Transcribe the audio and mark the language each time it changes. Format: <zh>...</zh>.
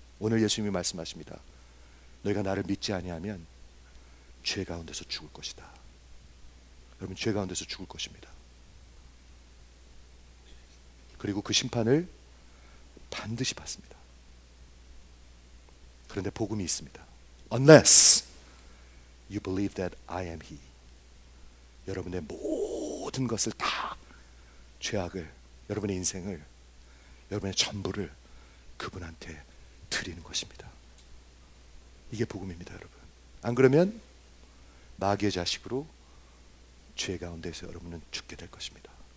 <ko>오늘 예수님이 말씀하십니다. 너희가 나를 믿지 아니하면 죄 가운데서 죽을 것이다. 여러분, 죄 가운데서 죽을 것입니다. 그리고 그 심판을 반드시 받습니다. 그런데 복음이 있습니다.</ko> <en>Unless you believe that I am He.</en> <ko>여러분의 모든 것을 다, 죄악을, 여러분의 인생을, 여러분의 전부를 그분한테 드리는 것입니다. 이게 복음입니다, 여러분. 안 그러면 마귀의 자식으로 죄 가운데서 여러분은 죽게 될 것입니다.</ko>